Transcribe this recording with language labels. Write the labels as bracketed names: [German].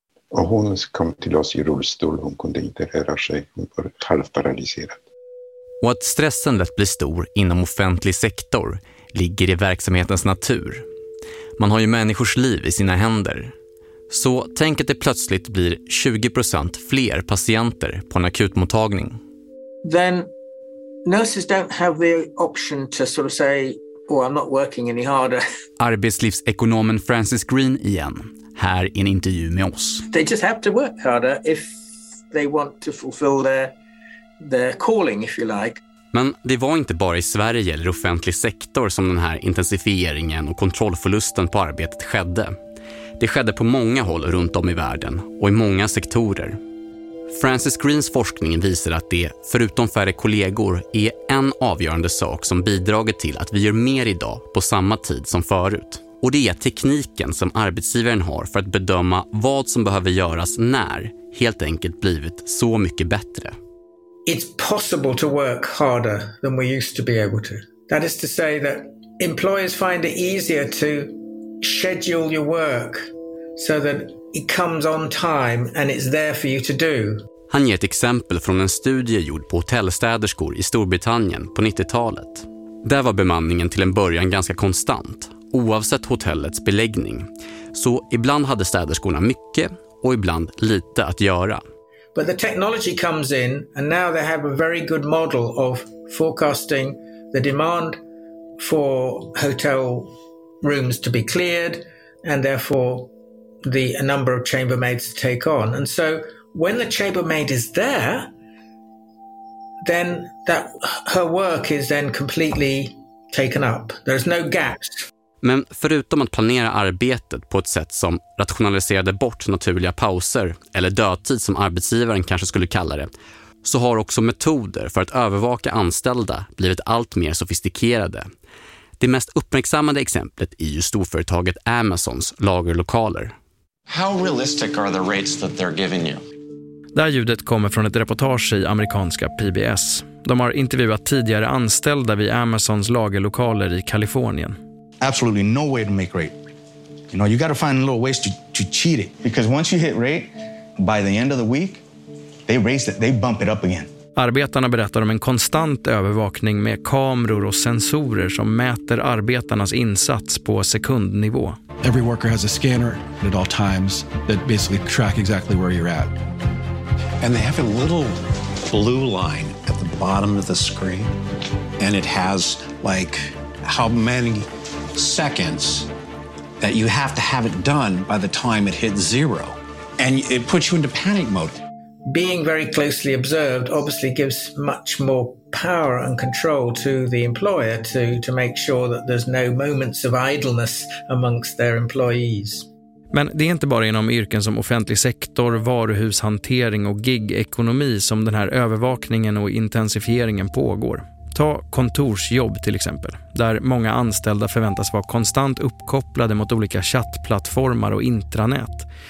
[Swedish] Och hon kom till oss i rullstol, hon kunde inte röra sig, hon var halvparaliserad. Och att stressen lätt blir stor inom offentlig sektor ligger i verksamhetens natur. Man har ju människors liv i sina händer. Så tänk att det plötsligt blir 20% fler patienter på en akutmottagning. [English] Then nurses don't have the option to sort of say, oh, I'm not working any harder. [Swedish] Arbetslivsekonomen Francis Green igen, här i en intervju med oss. [English] They just have to work harder if they want to fulfill their calling, if you like. [Swedish] Men det var inte bara i Sverige eller offentlig sektor som den här intensifieringen och kontrollförlusten på arbetet skedde. Det skedde på många håll runt om i världen och i många sektorer. Francis Greens forskning visar att det, förutom färre kollegor, är en avgörande sak som bidragit till att vi gör mer idag på samma tid som förut. Och det är tekniken som arbetsgivaren har för att bedöma vad som behöver göras när helt enkelt blivit så mycket bättre. [English] It's possible to work harder than we used to be able to. That is to say that employers find it easier to schedule your work so that it comes on time and it's there for you to do. [Swedish] Han ger ett exempel från en studie gjord på hotellstäderskor i Storbritannien på 90-talet. Där var bemanningen till en början ganska konstant, oavsett hotellets beläggning. Så ibland hade städerskorna mycket och ibland lite att göra. [English] But the technology comes in and now they have a very good model of forecasting the demand for hotel rooms to be cleared and therefore the number of chambermaids to take on. And so when the chambermaid is there, then that her work is then completely taken up. There's no gaps. [Swedish] Men förutom att planera arbetet på ett sätt som rationaliserade bort naturliga pauser eller dödtid som arbetsgivaren kanske skulle kalla det, så har också metoder för att övervaka anställda blivit allt mer sofistikerade. Det mest uppmärksammade exemplet är ju storföretaget Amazons lagerlokaler. [English] How realistic are the rates that they're giving you? [Swedish] Där ljudet kommer från ett reportage i amerikanska PBS. De har intervjuat tidigare anställda vid Amazons lagerlokaler i Kalifornien. [English] Absolutely no way to make rate. You know, you got to find a little ways to cheat it. Because once you hit rate, by the end of the week, they raise it, they bump it up again. [Swedish] Arbetarna berättar om en konstant övervakning med kameror och sensorer som mäter arbetarnas insats på sekundnivå. [English] Every worker has a scanner at all times that basically track exactly where you're at. And they have a little blue line at the bottom of the screen. And it has like how many seconds that you have to have it done by the time it hits zero, and it puts you into panic mode. Being very closely observed obviously gives much more power and control to the employer to make sure that there's no moments of idleness amongst their employees. [Swedish] Men det är inte bara inom yrken som offentlig sektor, varuhushantering och gig-ekonomi som den här övervakningen och intensifieringen pågår. Ta kontorsjobb till exempel, där många anställda förväntas vara konstant uppkopplade mot olika chattplattformar och intranät.